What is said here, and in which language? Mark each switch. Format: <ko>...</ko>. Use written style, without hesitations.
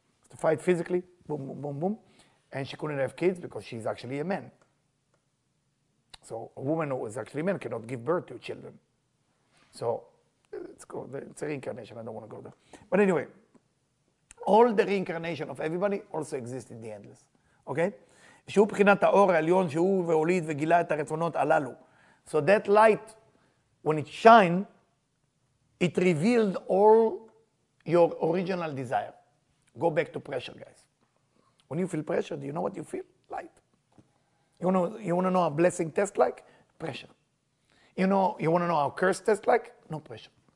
<en>To fight physically, boom, boom, boom, boom. And she couldn't have kids because she's actually a man. So a woman who is actually a man cannot give birth to children. So it's called, it's a reincarnation, I don't want to go there. But anyway, all the reincarnation of everybody also exists in the endless. Okay?</en> <he>שהוא בחינת האור העליון שהוא והוליד וגילה את הרצונות הללו.</he> <en>So that light, when it shined, it revealed all your original desire. Go back to pressure, guys. When you feel pressure, do you know what you feel? Light. You want to know a blessing test like? Pressure. You want to know a curse test like? No pressure.</en>